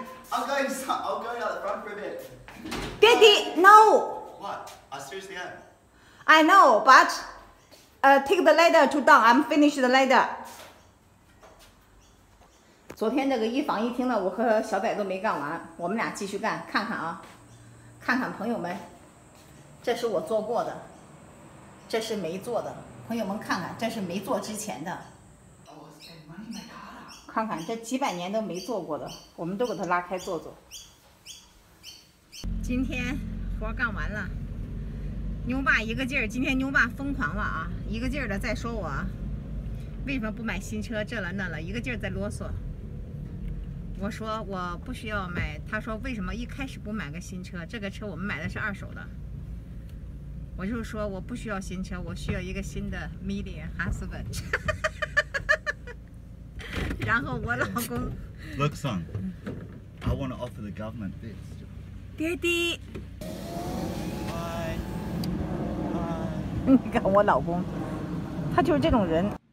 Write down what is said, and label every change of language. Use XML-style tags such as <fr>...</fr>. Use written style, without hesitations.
<en>I'll go out the front for a bit. Daddy, no. What? I seriously am. I know, but take the ladder to down. I'm finished the ladder.</en> <zh>昨天这个一房一厅的，我和小仔都没干完，我们俩继续干，看看啊，看看朋友们。这是我做过的，这是没做的，朋友们看看，这是没做之前的。看看这几百年都没做过的，我们都给它拉开做做。今天活干完了，牛爸一个劲儿，今天牛爸疯狂了啊，一个劲儿的在说我为什么不买新车，这了那了，一个劲儿在啰嗦。我说我不需要买，他说为什么一开始不买个新车，这个车我们买的是二手的。我就说我不需要新车，我需要一个新的</zh> <en>million husband。</en> <zh>然后我老公</zh> <en>Look son, I want to offer the government this. Daddy,</en> <zh>你看我老公他就是这种人，</zh>